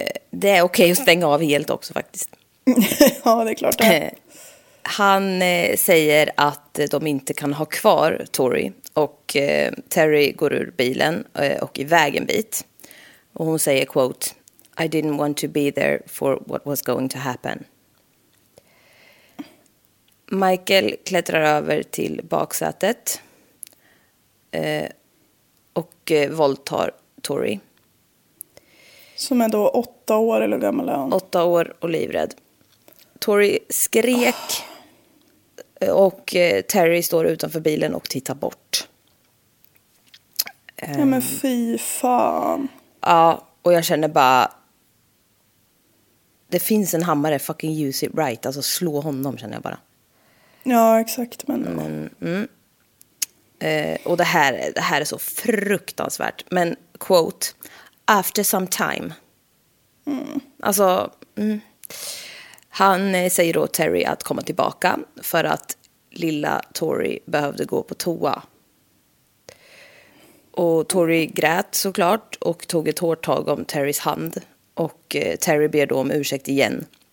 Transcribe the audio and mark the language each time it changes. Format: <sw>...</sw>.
<sv>Det är okej att stänga av helt också faktiskt. Ja, det är klart det. Han säger att de inte kan ha kvar Tori. Och Terry går ur bilen och iväg en bit. Och hon säger,</sv> <en>quote, I didn't want to be there for what was going to happen.</en> <sv>Michael klättrar över till baksätet och våldtar Tori. Som är då 8 år eller gammal är hon? 8 år och livrädd. Tori skrek och Terry står utanför bilen och tittar bort. Ja, men fy fan. Ja, och jag känner bara... Det finns en hammare,</sv> <en>fucking use it right.</en> <sv>Alltså slå honom känner jag bara. Ja, exakt. Men... Och det här är så fruktansvärt. Men,</sv> <en>quote, after some time. Mm.</en> <sv>Alltså, han säger då Terry att komma tillbaka för att lilla Tori behövde gå på toa. Och Tori grät såklart och tog ett hårt tag om Terrys hand. Och Terry ber då om ursäkt igen.</sv>